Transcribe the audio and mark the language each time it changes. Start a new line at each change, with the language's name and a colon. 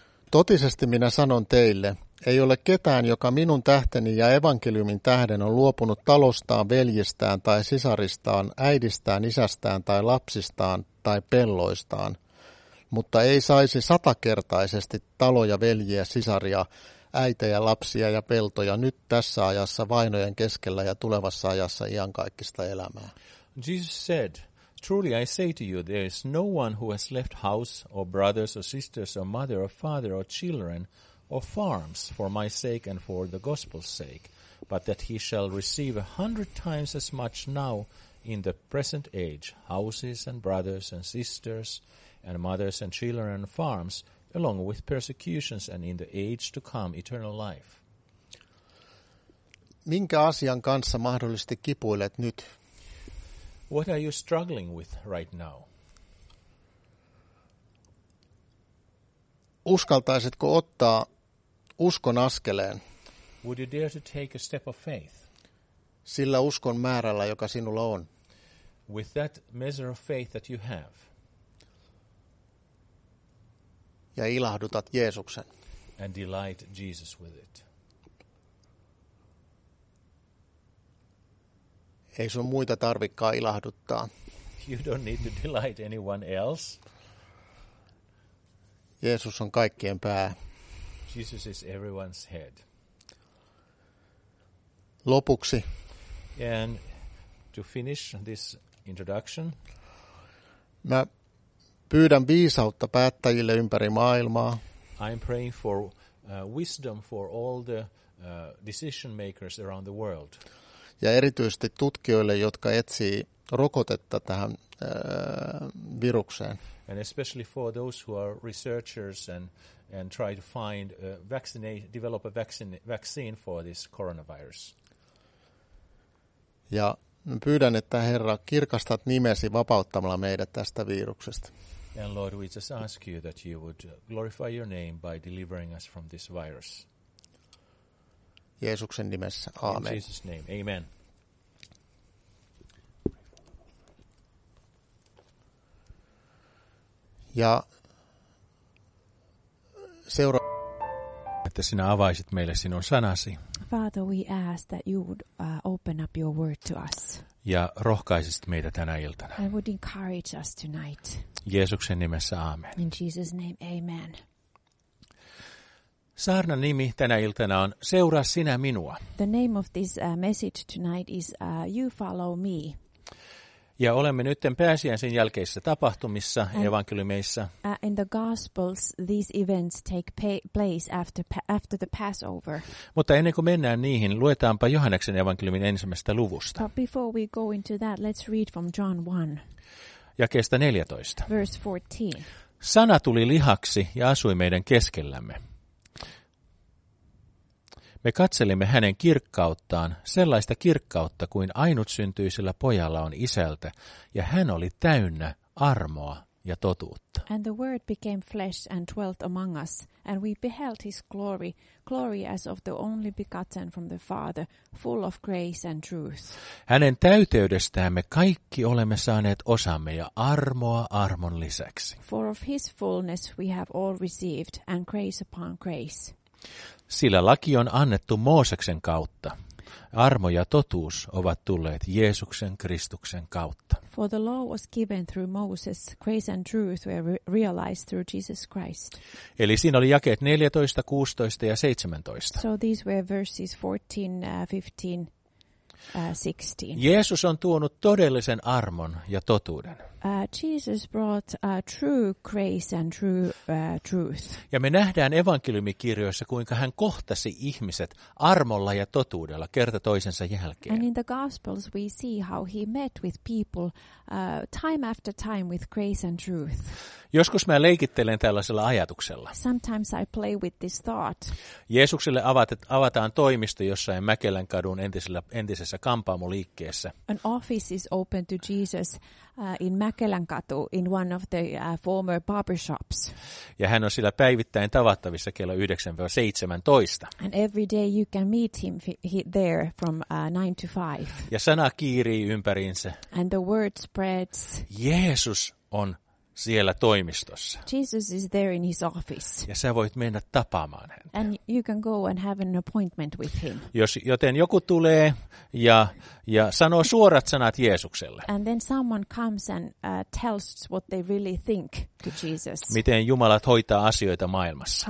Finnish: Totisesti minä sanon teille, ei ole ketään, joka minun tähteni ja evankeliumin tähden on luopunut talostaan, veljestään tai sisaristaan, äidistään, isästään tai lapsistaan tai pelloistaan, mutta ei saisi 100-kertaisesti taloja, veljiä, sisaria, äitejä, lapsia ja peltoja nyt tässä ajassa vainojen keskellä ja tulevassa ajassa iankaikkista elämää.
English: Jesus said, truly I say to you, there is no one who has left house or brothers or sisters or mother or father or children or farms for my sake and for the gospel's sake, but that he shall receive 100 times as much now in the present age, houses and brothers and sisters and mothers and children and farms, along with persecutions and in the age to come eternal life.
Finnish: Minkä asian kanssa mahdollisesti kipuilet nyt?
English: What are you struggling with right now?
Finnish: Uskaltaisitko ottaa uskon askeleen?
English: Would you dare to take a step of faith?
Finnish: Sillä uskon määrällä, joka sinulla on.
English: With that measure of faith that you have.
Finnish: Ja ilahdutat Jeesuksen.
English: And delight Jesus with it.
Finnish: Ei sun muita tarvikkaa ilahduttaa.
English: You don't need to delight anyone else.
Finnish: Jeesus on kaikkien pää.
English: Jesus is everyone's head.
Finnish: Lopuksi.
English: And to finish this introduction.
Finnish: Mä pyydän viisautta päättäjille ympäri maailmaa.
English: I'm praying for wisdom for all the decision makers around the world.
Finnish: Ja erityisesti tutkijoille, jotka etsii rokotetta tähän virukseen.
English: And especially for those who are researchers and try to find develop a vaccine for this coronavirus.
Finnish: Ja pyydän, että Herra, kirkastat nimesi vapauttamalla meidät tästä viruksesta.
English: And Lord, we just ask you that you would glorify your name by delivering us from this virus.
Finnish: Jeesuksen nimessä. Aamen.
English: In Jesus' name. Amen.
Finnish: Ja seuraava. Että sinä avaisit meille sinun sanasi.
English: Father, we ask that you would open up your word to us.
Finnish: Ja rohkaisisit meitä tänä iltana.
English: And would encourage us tonight.
Finnish: Jeesuksen nimessä, aamen.
English: In Jesus' name, amen.
Finnish: Saarnan nimi tänä iltana on Seuraa sinä minua.
English: The name of this message tonight is You Follow Me.
Finnish: Ja olemme nytten pääsiäisen jälkeisissä tapahtumissa evankeliumeissa.
English: In the Gospels, these events take place after the Passover.
Finnish: Mutta ennen kuin mennään niihin, luetaanpa Johanneksen evankeliumin ensimmäisestä luvusta.
English: But before we go into that, let's read from John 1.
Finnish: Jakeesta 14.
English: Verse 14.
Finnish: Sana tuli lihaksi ja asui meidän keskellämme. Me katselimme hänen kirkkauttaan, sellaista kirkkautta kuin ainutsyntyisellä pojalla on isältä, ja hän oli täynnä armoa ja totuutta.
English: And the word became flesh and dwelt among us, and we beheld his glory, glory as of the only begotten from the Father, full of grace and truth.
Finnish: Hänen täyteydestään me kaikki olemme saaneet osamme ja armoa armon lisäksi.
English: For of his fullness we have all received, and grace upon grace.
Finnish: Sillä laki on annettu Mooseksen kautta. Armo ja totuus ovat tulleet Jeesuksen Kristuksen kautta.
English: For the law was given through Moses, grace and truth were realized through Jesus Christ.
Finnish: Eli siinä oli jakeet 14, 16 ja 17.
English: So these were verses 14, 15, 16.
Finnish: Jeesus on tuonut todellisen armon ja totuuden.
English: Jesus brought true grace and true truth.
Finnish: Ja me nähdään evankeliumikirjoissa, kuinka hän kohtasi ihmiset armolla ja totuudella kerta toisensa jälkeen.
English: And in the Gospels we see how he met with people time after time with grace and truth.
Finnish: Joskus mä leikittelen tällaisella ajatuksella.
English: Sometimes I play with this thought.
Finnish: Jeesukselle avataan toimisto jossain Mäkelän kadun entisessä kampaamoliikkeessä.
English: An office is open to Jesus in Mäkelänkatu in one of the former barbershops.
Finnish: Ja hän on siellä päivittäin tavattavissa kello 9-17.
English: And every day you can meet him there from 9-5.
Finnish: Ja sana kiirii ympäriinsä.
English: And the word spreads.
Finnish: Jeesus on siellä toimistossa.
English: Jesus is there in his office.
Finnish: Ja sä voit mennä tapaamaan häntä.
English: And you can go and have an appointment with him.
Finnish: Joten joku tulee ja sanoo suorat sanat Jeesukselle.
English: And then someone comes and tells what they really think to Jesus.
Finnish: Miten Jumala hoitaa asioita maailmassa.